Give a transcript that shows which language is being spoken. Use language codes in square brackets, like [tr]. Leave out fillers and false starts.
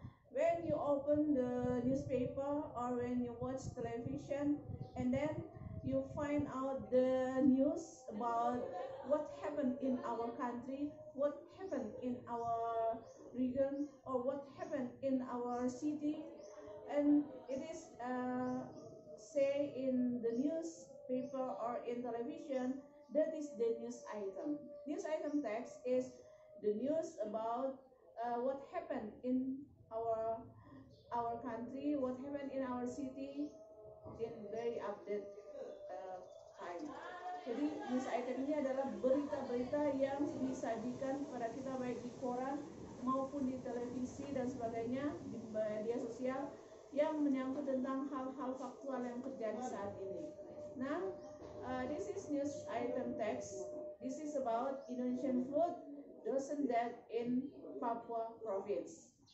[en] When you open the newspaper or when you watch television and then you find out the news about what happened in our country, what happened in our region, or what happened in our city, and it is say in the newspaper or in television, that is the news item. News item text is the news about what happened in our country, what happened in our city in very updated time. [id] Jadi news item ini adalah berita-berita yang disajikan kepada kita baik di koran maupun di televisi dan sebagainya, di media sosial, yang menyangkut tentang hal-hal faktual yang terjadi saat ini. [en] Nah, this is news item text. This is about Indonesian food doesn't death in Papua province.